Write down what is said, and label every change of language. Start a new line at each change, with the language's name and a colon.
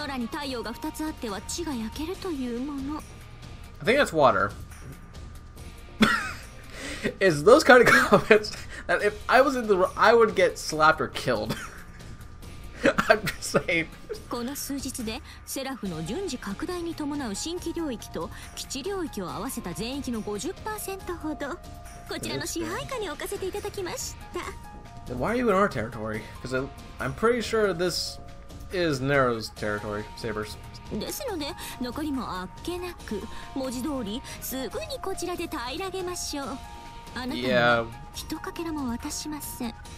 Japanese: 空に太陽が二つあっては血が焼けるというもの。
English: I think that's water. It's those kind of comments that if I was in the room, I would get slapped or killed.
Japanese: この数日でセラフの順次拡大に伴う新規領域と基地領域を合わせた全域の 50% ほどこちらの支配下に置かせていただきました。
English: Then why are you in our territory? Because I'm pretty sure this is Nero's territory, Sabers.
Japanese: ですので、残りもあっけなく、文字通りすぐにこちらで平らげましょう。あなたには一かけらも渡しません。